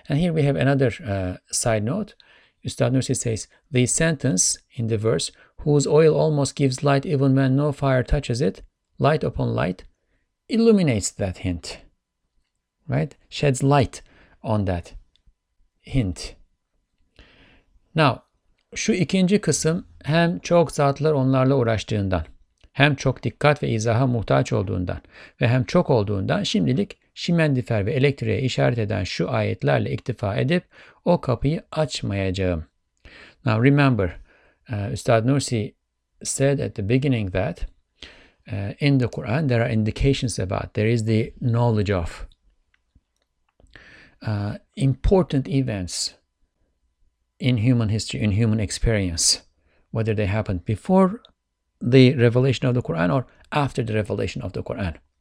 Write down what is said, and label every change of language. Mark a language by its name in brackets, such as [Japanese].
[English] And here we have another side note. Ustad Nursi says, the sentence in the verse, whose oil almost gives light even when no fire touches it, light upon light, illuminates that hint, right? Sheds light on that hint. [Turkish] Now, şu ikinci kısım hem çok zatlar onlarla uğraştığından, hem çok dikkat ve izaha muhtaç olduğundan ve hem çok olduğundan şimdilik şimendifer ve elektriğe işaret eden şu ayetlerle iktifa edip o kapıyı açmayacağım. [English] Now remember, Üstad Nursi said at the beginning that in the Quran there are indications about, there is the knowledge of important events in human history, in human experience, whether they happened before the revelation of the Quran or after the revelation of the Quran.